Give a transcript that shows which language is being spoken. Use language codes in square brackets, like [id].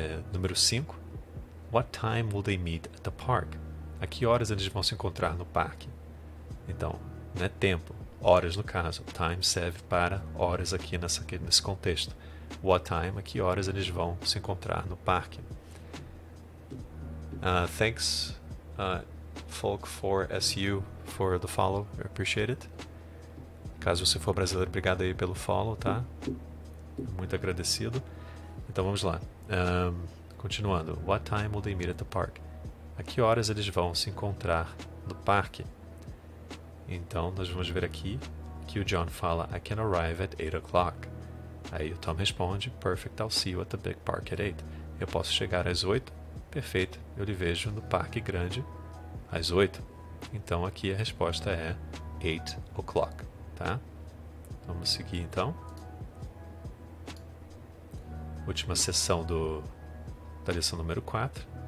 [pt] Número 5, [en] what time will they meet at the park? [pt] A que horas eles vão se encontrar no parque? Então, não é tempo, horas no caso, time serve para horas aqui nesse contexto. [en] What time, [pt] a que horas eles vão se encontrar no parque? [en] Thanks, Folk4SU, for the follow, I appreciate it. [pt] Caso você for brasileiro, obrigado aí pelo follow, tá? Muito agradecido. Então vamos lá. Continuando. [en] What time will they meet at the park? [pt] A que horas eles vão se encontrar no parque? Então nós vamos ver aqui que o John fala, [en] I can arrive at 8 o'clock. [pt] Aí o Tom responde, [en] perfect, I'll see you at the big park at 8. [pt] Eu posso chegar às 8? Perfeito, eu lhe vejo no parque grande às 8. Então aqui a resposta é 8 o'clock, tá? Vamos seguir então. Última sessão da lição número 4.